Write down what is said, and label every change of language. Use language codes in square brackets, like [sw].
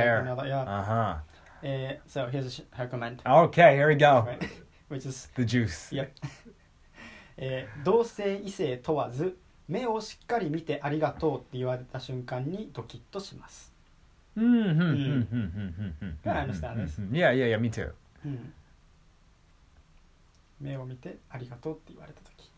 [en] there. Another, yeah. Uh-huh. So here's her comment. Okay, here we go. Which is the juice. Yep. [ja] 同性異性問わず目をしっかり見てありがとうって言われた瞬間にドキッとします。 Mm-hmm. Mm-hmm. Mm-hmm. Mm-hmm. [en] Yeah, I understand this. Yeah, yeah, yeah, me too. [ja] 目を見てありがとうって言われた時。